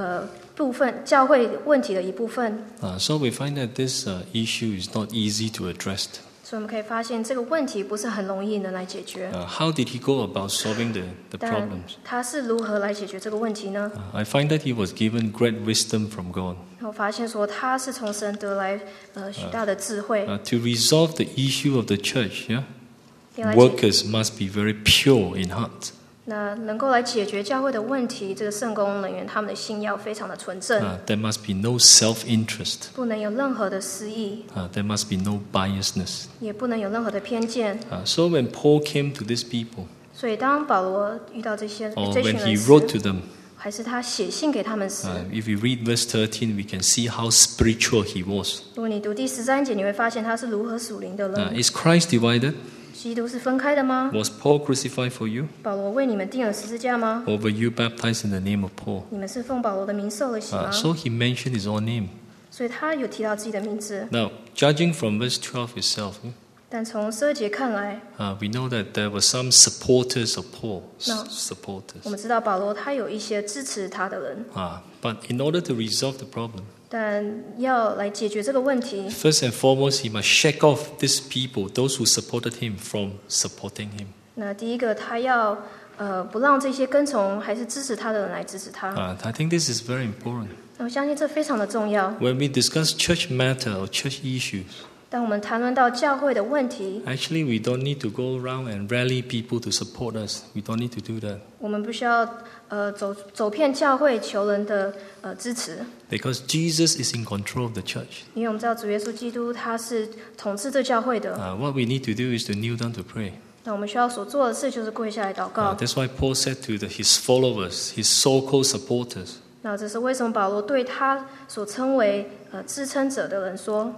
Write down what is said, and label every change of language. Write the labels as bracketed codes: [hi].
[zh] 那外表看起来他是部分教会问题的一部分。 [en] So we find that this issue is not easy to address. [zh] 所以我们可以发现这个问题不是很容易能来解决。 [en] How did he go about solving the problems? [zh] 但他是如何来解决这个问题呢？ [en] I find that he was given great wisdom from God. [zh] 我发现说他是从神得来, 许大的智慧。 [en] To resolve the issue of the church, yeah? Workers must be very pure in heart. [zh] 那能够来解决教会的问题, 这个圣工人员, 他们的心要非常的纯正。 [en] There must be no self-interest. [zh] 不能有任何的私意。 [en] There must be no biasness. [zh] 也不能有任何的偏见。 [en] So when Paul came to these people, [zh] 所以当保罗遇到这些, [en] or when he wrote to them, [zh] 还是他写信给他们时, [en] if you read verse 13, we can see how spiritual he was. [zh] 如果你读第13节, 你会发现他是如何属灵的人。 [en] Is Christ divided? [zh] 基督是分开的吗? [en] Was Paul crucified for you? [zh] 保罗为你们钉了十字架吗? [en] Or were you baptized in the name of Paul? [zh] 你们是奉保罗的名受了洗吗? [en] So he mentioned his own name. [zh] 所以他有提到自己的名字。 [en] Now, judging from verse 12 itself, [zh] 但从十二节看来, [en] we know that there were some supporters of Paul. Supporters. [zh] 我们知道保罗他有一些支持他的人。 [en] But in order to resolve the problem, [zh] 但要来解决这个问题, [en] first and foremost, he must shake off these people, those who supported him, from supporting him. [zh] 那第一个他要, 不让这些跟从还是支持他的人来支持他。 [en] I think this is very important. [zh] 我相信这非常的重要。 [en] When we discuss church matter or church issues, [zh] 当我们谈论到教会的问题, [en] actually, we don't need to go around and rally people to support us. We don't need to do that. [zh] 我们不需要, 走遍教会求人的, 支持。 [en] Because Jesus is in control of the church. [zh] 因为我们知道主耶稣基督他是统治这教会的。 [en] What we need to do is to kneel down to pray. [zh] 那我们需要所做的事就是跪下来祷告。 [en] That's why Paul said to his followers, his so-called supporters, [zh] 那这是为什么保罗对他所称为, 支撑者的人说,